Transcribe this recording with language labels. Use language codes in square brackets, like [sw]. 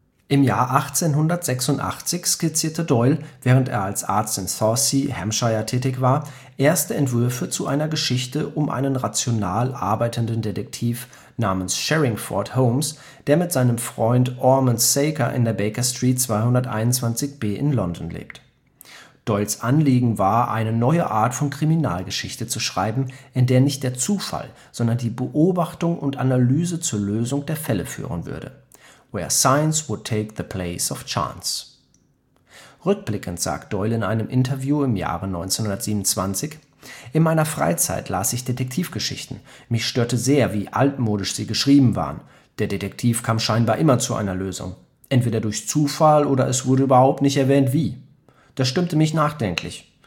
[de] Im Jahr 1886 skizzierte Doyle, während er als Arzt in Thorsey, Hampshire, tätig war, erste Entwürfe zu einer Geschichte um einen rational arbeitenden Detektiv namens Sherringford Holmes, der mit seinem Freund Ormond Saker in der Baker Street 221b in London lebt. Doyles Anliegen war, eine neue Art von Kriminalgeschichte zu schreiben, in der nicht der Zufall, sondern die Beobachtung und Analyse zur Lösung der Fälle führen würde. [en] Where science would take the place of chance. [de] Rückblickend sagt Doyle in einem Interview im Jahre 1927, in meiner Freizeit las ich Detektivgeschichten. Mich störte sehr, wie altmodisch sie geschrieben waren. Der Detektiv kam scheinbar immer zu einer Lösung. Entweder durch Zufall oder es wurde überhaupt nicht erwähnt, wie. Das stimmte mich nachdenklich.